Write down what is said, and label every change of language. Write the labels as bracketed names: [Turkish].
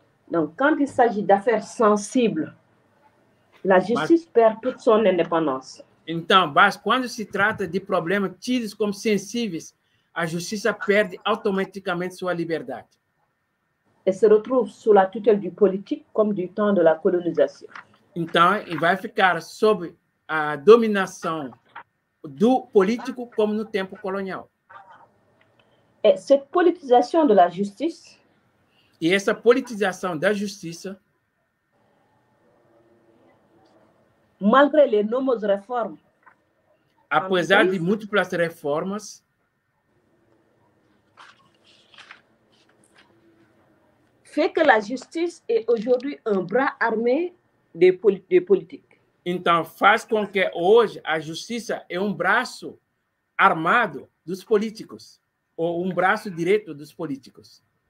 [French] Donc, quand il s'agit d'affaires sensibles, la justice perd toute son indépendance. [Portuguese] Então, quando se trata de problemas tidos como sensíveis, a justiça perde automaticamente sua liberdade. [French] Et se retrouve sous la tutelle du politique comme du temps de la colonisation. [Portuguese] Então, vai ficar sob a dominação do político como no tempo colonial. [French] Et cette politisation de la justice. [Portuguese] E essa politização da justiça. [French] Malgré les nombreuses réformes, [Portuguese] apesar de múltiples reformas, [French] fait que la justice est aujourd'hui un bras armé des politiques. [Portuguese] Então, faz com que hoje a justiça é braço armado dos políticos, ou braço direito dos políticos.